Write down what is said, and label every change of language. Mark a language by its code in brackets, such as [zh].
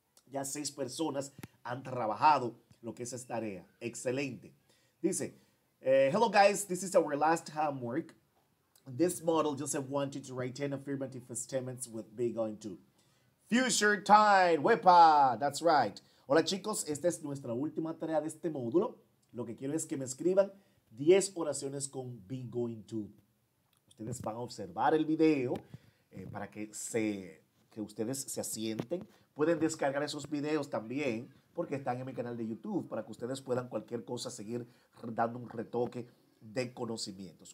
[es] Ya seis personas han trabajado lo que es esta tarea. Excelente. [en] Dice, hello guys, this is our last homework. This model just wanted to write 10 affirmative statements with be going to. Future time. ¡Wepa! That's right. [es] Hola chicos, esta es nuestra última tarea de este módulo. Lo que quiero es que me escriban 10 oraciones con be going to. Ustedes van a observar el video para que ustedes se asienten. Pueden descargar esos videos también porque están en mi canal de YouTube para que ustedes puedan cualquier cosa seguir dando un retoque de conocimientos.